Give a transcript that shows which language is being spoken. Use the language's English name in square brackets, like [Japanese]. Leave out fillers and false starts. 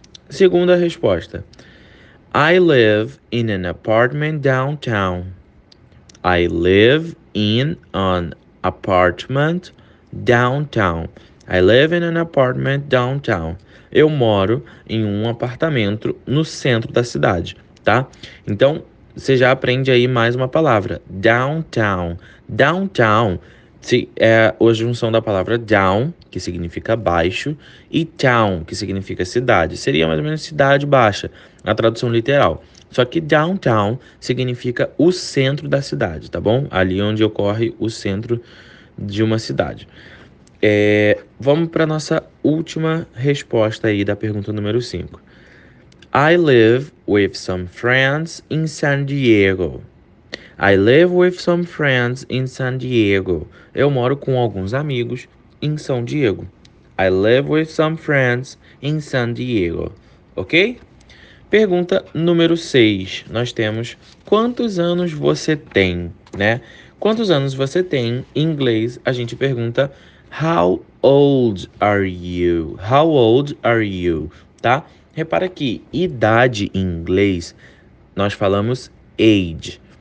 [Portuguese] Segunda resposta: [English] I live in an apartment downtown. I live in an apartment downtown. I live in an apartment downtown. [Portuguese] Eu moro em um apartamento no centro da cidade, tá? Então, você já aprende aí mais uma palavra. Downtown. Downtown Sim, é a junção da palavra down, que significa baixo, e town, que significa cidade. Seria mais ou menos cidade baixa, a tradução literal. Só que downtown significa o centro da cidade, tá bom? Ali onde ocorre o centro de uma cidade. Vamos para nossa última resposta aí da pergunta número 5. [English] I live with some friends in San Diego. I live with some friends in San Diego. [Portuguese] Eu moro com alguns amigos em São Diego. [English] I live with some friends in San Diego. [Portuguese] Ok? Pergunta número 6. Nós temos quantos anos você tem, né? Quantos anos você tem? Em inglês, a gente pergunta [English] How old are you? How old are you? [Portuguese] Tá? Repara que idade em inglês nós falamos age.